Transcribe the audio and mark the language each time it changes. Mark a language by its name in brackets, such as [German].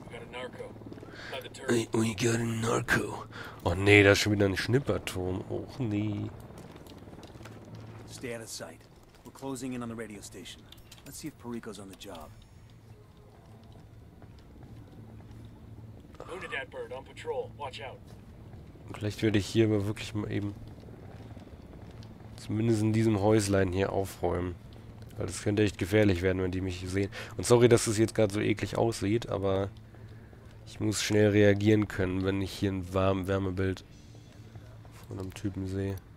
[English] We got a narco. [German] Oh nee, da ist schon wieder ein Schnipperturm. Och nee. [English] Stay out of sight. We're closing in on the radio station. Let's see if Perico's on the job. Wounded that bird on patrol. Watch out. [German] Vielleicht werde ich hier aber wirklich mal eben zumindest in diesem Häuslein hier aufräumen. Weil das könnte echt gefährlich werden, wenn die mich sehen. Und sorry, dass es jetzt gerade so eklig aussieht, aber ich muss schnell reagieren können, wenn ich hier ein Wärmebild von einem Typen sehe.